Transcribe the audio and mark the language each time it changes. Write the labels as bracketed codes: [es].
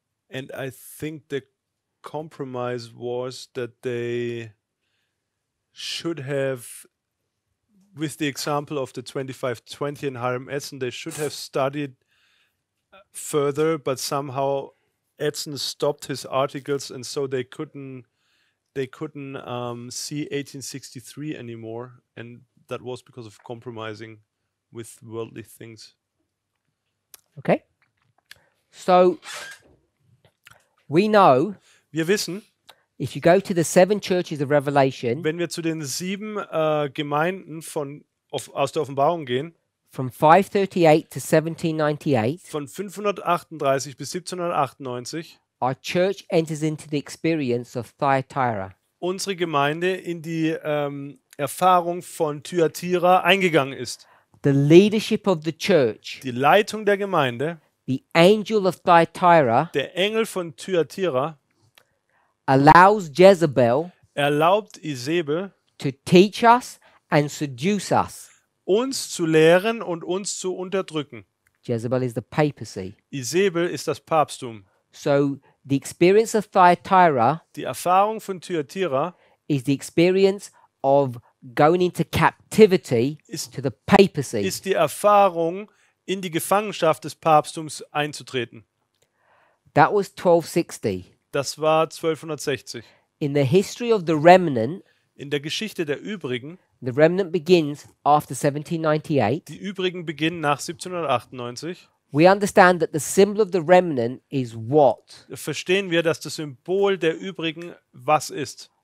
[en] And I think the compromise was that they should have, with the example of the 2520 in Hiram Edson, they should have studied further, but somehow Edson stopped his articles and so they couldn't see 1863 anymore, and that was because of compromising with worldly things. Okay. So, we know... [de] Wir wissen... [en] If you go to the seven churches of Revelation... [de] Wenn wir zu den sieben Gemeinden aus der Offenbarung gehen... [en] From 538 to 1798... [de] Von 538 bis 1798... [en] Our church enters into the experience of Thyatira. [de] Unsere Gemeinde in die Erfahrung von Thyatira eingegangen ist. [en] The leadership of the church, [de] die Leitung der Gemeinde, [en] the angel of Thyatira, [de] der Engel von Thyatira, [en] allows Jezebel, [de] erlaubt Isabel, [en] to teach us and seduce us, [de] uns zu lehren und uns zu unterdrücken. [en] Jezebel is the papacy. [de] Isabel ist das Papsttum. [en] So the experience of Thyatira, [de] die Erfahrung von Thyatira, [en] is the experience of going into captivity to the papacy. [de] Ist die Erfahrung, in die Gefangenschaft des Papsttums einzutreten. [en] That was 1260. [de] Das war 1260. [en] In the history of the remnant, [de] in der Geschichte der Übrigen, [en] the remnant begins after 1798. [de] Die Übrigen beginnen nach 1798. [en] We understand that the symbol of the remnant is what? [de] Verstehen wir, dass das Symbol der Übrigen was ist?